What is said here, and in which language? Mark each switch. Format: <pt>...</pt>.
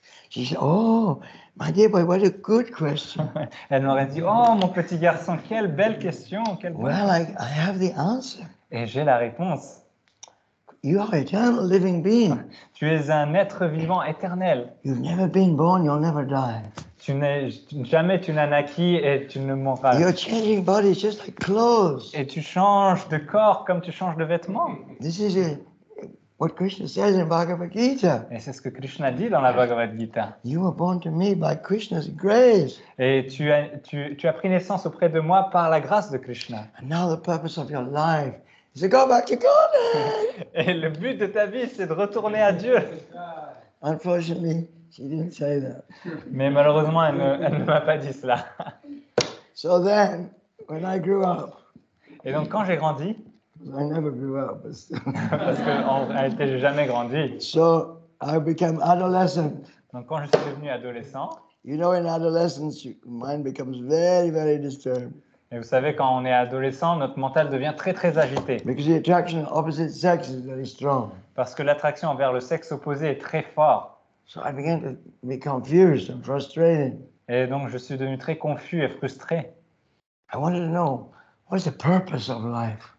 <en>She said, oh, my dear boy, what a good question.</en> <fr>Elle m'aurait dit, oh, mon petit garçon, quelle belle question.</fr> <en>I have the answer.</en> <fr>Et j'ai la réponse.</fr> <en>You are eternal living being.</en> <fr>Tu es un être vivant éternel.</fr> <en>You've never been born, you'll never die.</en> <fr>Tu n'as naquis et tu ne mourras.</fr> <en>You're changing bodies just like clothes.</en> <fr>Et tu changes de corps comme tu changes de vêtements.</fr> <en>This is what Krishna says in Bhagavad Gita.</en> <fr>Et c'est ce que Krishna dit dans la Bhagavad Gita.</fr> <en>You were born to me by Krishna's grace.</en> <fr>Et tu as pris naissance auprès de moi par la grâce de Krishna.</fr> <en>And now the purpose of your life is to go back to God.</en> <fr>Et le but de ta vie, c'est de retourner à Dieu.</fr> <en>Unfortunately, she didn't say that.</en> <fr>Mais malheureusement, elle ne m'a pas dit cela.</fr> <en>So then, when I grew up.</en> <fr>Et donc, quand j'ai grandi.</fr> <en>I never grew up. But still.</en> <fr>Parce qu'on n'était jamais grandi.</fr> <en>So I became adolescent.</en> <fr>Donc, quand je suis devenu adolescent.</fr> <en>You know, in adolescence, your mind becomes very, very disturbed.</en> <fr>Et vous savez, quand on est adolescent, notre mental devient très, très agité.</fr> <en>Because the attraction opposite sex is very strong.</en> <fr>Parce que l'attraction envers le sexe opposé est très fort.</fr> <en>So I began to be confused and frustrated.</en> <fr>Et donc je suis devenu très confus et frustré.</fr> <en>I wanted to know what is the purpose of life.</en>